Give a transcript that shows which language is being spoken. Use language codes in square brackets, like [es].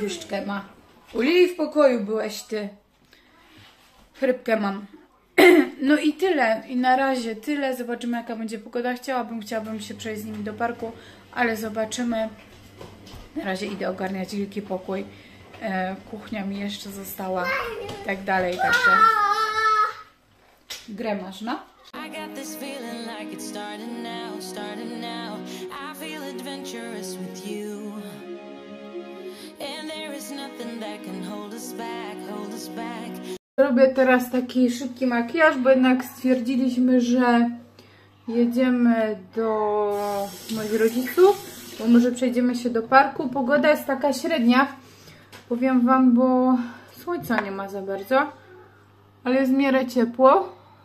[pl] Różdżkę ma. U Lili w pokoju byłeś ty. Chrypkę mam. No i tyle. I na razie tyle. Zobaczymy, jaka będzie pogoda. Chciałabym się przejść z nimi do parku, ale zobaczymy. Na razie idę ogarniać wielki pokój. Kuchnia mi jeszcze została. I tak dalej. Także. Grę masz, no? [en] I got this feeling like it's starting now, I feel adventurous with you, and there is nothing that can hold us back. [pl] Robię teraz taki szybki makijaż, bo jednak stwierdziliśmy, że jedziemy do moich rodziców, bo może przejdziemy się do parku. Pogoda jest taka średnia, powiem Wam, bo słońca nie ma za bardzo, ale jest w miarę ciepło.